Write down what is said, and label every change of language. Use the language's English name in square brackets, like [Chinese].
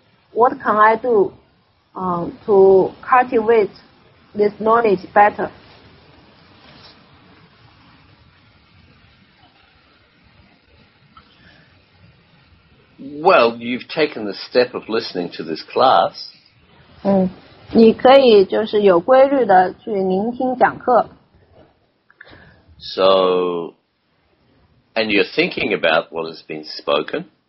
[English] What can I do to cultivate this knowledge better? Well, you've taken the step of listening to this class. [Chinese] 你可以就是有规律的去聆听讲课。So, [English] and you're thinking about what has been spoken.